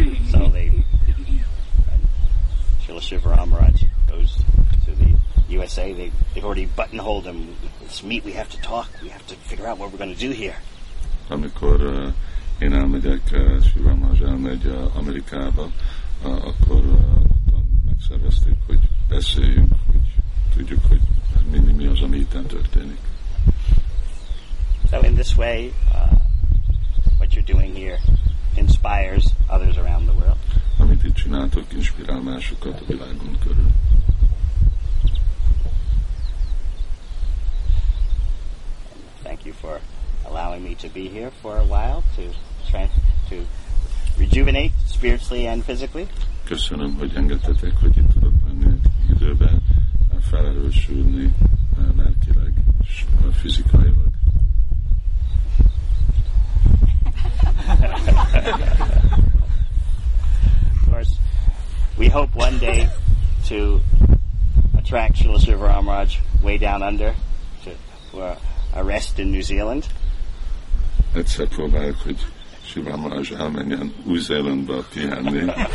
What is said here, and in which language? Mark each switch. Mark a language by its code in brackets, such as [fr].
[en] So they, Srila Sivaramaraj goes to the USA, they've already buttonholed him, let's meet, we have to talk, we have to figure out what we're going to do here. [hu] Amikor én elmegyek, Sivaramaraj elmegy Amerikába, akkor megszervezték, hogy beszéljünk, hogy tudjuk, hogy mi az, ami itten történik. [en] So in this way, what you're doing here inspires others around the world. [hu] Amit itt csináltok, inspirál másokat a világon körül. [en] Thank you for allowing me to be here for a while to rejuvenate spiritually and physically. [hu] Köszönöm, hogy engedtetek, hogy itt tudok lenni egy időben felerősülni lelkileg és fizikailag. [en] Of course, we hope one day to attract Srila Sivaramaraj way down under for a rest in New Zealand. [hu] Egyszer próbáljuk, hogy Shiva Maharaj elmenjen Új-Zélandba pihenni.